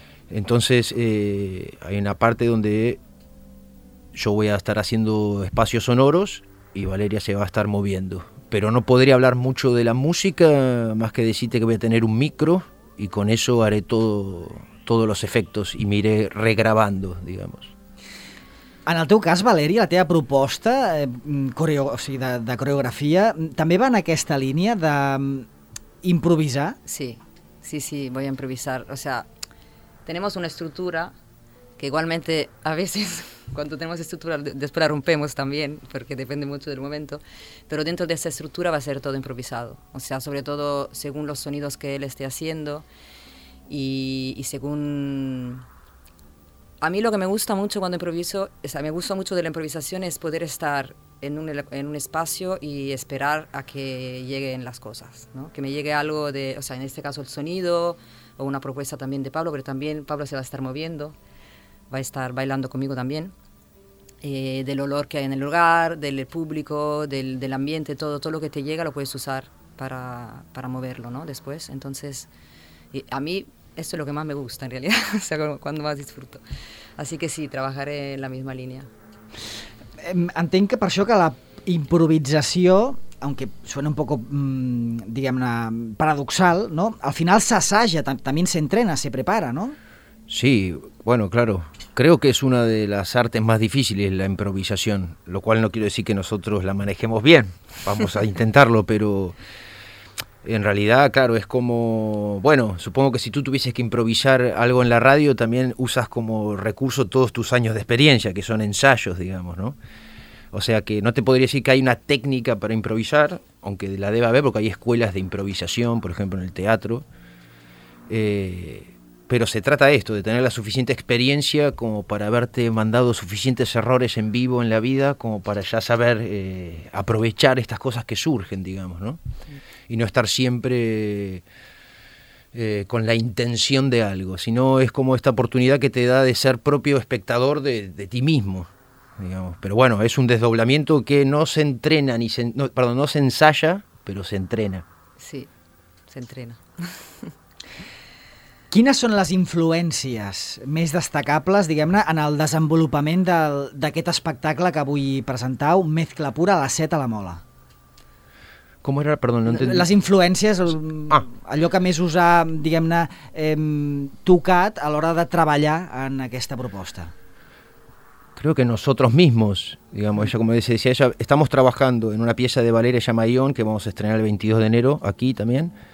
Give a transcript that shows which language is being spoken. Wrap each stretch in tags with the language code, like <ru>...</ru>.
<es>Entonces hay una parte donde yo voy a estar haciendo espacios sonoros y Valeria se va a estar moviendo. Pero no podré hablar mucho de la música, más que decirte que voy a tener un micro y con eso haré todos los efectos y me iré regrabando, digamos.</es> <ca>En el teu cas, Valeria, la teva proposta de coreografia també va en aquesta línia d'improvisar?</ca> <es>Sí, voy a improvisar. O sea, tenemos una estructura que igualmente a veces cuando tenemos estructura después la rompemos también, porque depende mucho del momento, pero dentro de esa estructura va a ser todo improvisado. O sea, sobre todo según los sonidos que él esté haciendo y según... A mí lo que me gusta mucho cuando improviso, o sea, me gusta mucho de la improvisación es poder estar en un espacio y esperar a que lleguen las cosas, ¿no? Que me llegue algo de, o sea, en este caso el sonido o una propuesta también de Pablo, pero también Pablo se va a estar moviendo, va a estar bailando conmigo también, del olor que hay en el lugar, del público, del ambiente, todo lo que te llega lo puedes usar para moverlo, ¿no? Después, entonces, a mí... Eso es lo que más me gusta en realidad, o sea, cuando más disfruto. Así que sí, trabajaré en la misma línea.</es> <ca>Entenc que per això que la improvisació,</ca> <es>aunque suena un poco,</es> <ca>diguem-ne, paradoxal, ¿no?</ca> <es>Al final</es> <ca>s'assaja,</ca> <es>también se entrena, se prepara, ¿no? Sí, bueno, claro. Creo que es una de las artes más difíciles, la improvisación, lo cual no quiero decir que nosotros la manejemos bien. Vamos a intentarlo, pero... En realidad, claro, es como... Bueno, supongo que si tú tuvieses que improvisar algo en la radio, también usas como recurso todos tus años de experiencia, que son ensayos, digamos, ¿no? O sea que no te podría decir que hay una técnica para improvisar, aunque la deba haber, porque hay escuelas de improvisación, por ejemplo, en el teatro. Pero se trata de esto, de tener la suficiente experiencia como para haberte mandado suficientes errores en vivo en la vida como para ya saber aprovechar estas cosas que surgen, digamos, ¿no? Y no estar siempre con la intención de algo, sino es como esta oportunidad que te da de ser propio espectador de ti mismo, digamos. Pero bueno, es un desdoblamiento que no se entrena, no se ensaya, pero se entrena. Sí, se entrena.</es> <ca>Quines són les influències més destacables, diguem-ne, en el desenvolupament d'aquest espectacle que avui presentau, Mezcla Pura, a les 7 a la Mola?</ca> <es>¿Cómo era? Perdón, no entendí.</es> <ca>Les influències, allò que més us ha, diguem-ne, tocat a l'hora de treballar en aquesta proposta.</ca> <es>Creo que nosotros mismos, digamos, ella como decía, ella, estamos trabajando en una pieza de Valeria Llamaión que vamos a estrenar el 22 de enero, aquí también.</es>